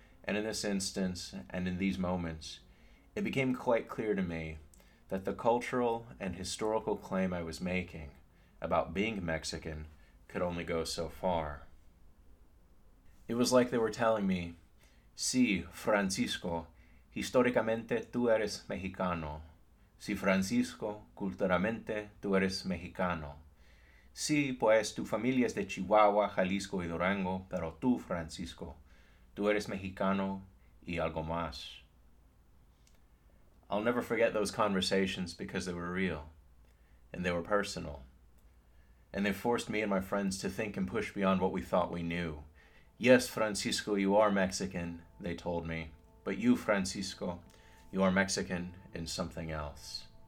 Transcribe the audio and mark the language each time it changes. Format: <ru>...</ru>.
<en>And in this instance, and in these moments, it became quite clear to me that the cultural and historical claim I was making about being Mexican could only go so far. It was like they were telling me,</en> <es>"Sí, Francisco, históricamente tú eres Mexicano. Sí, Francisco, culturalmente tú eres Mexicano. Sí, pues tu familia es de Chihuahua, Jalisco y Durango, pero tú, Francisco, tú eres Mexicano y algo más."</es> <en>I'll never forget those conversations because they were real, and they were personal. And they forced me and my friends to think and push beyond what we thought we knew. "Yes, Francisco, you are Mexican," they told me. "But you, Francisco, you are Mexican in something else."</en>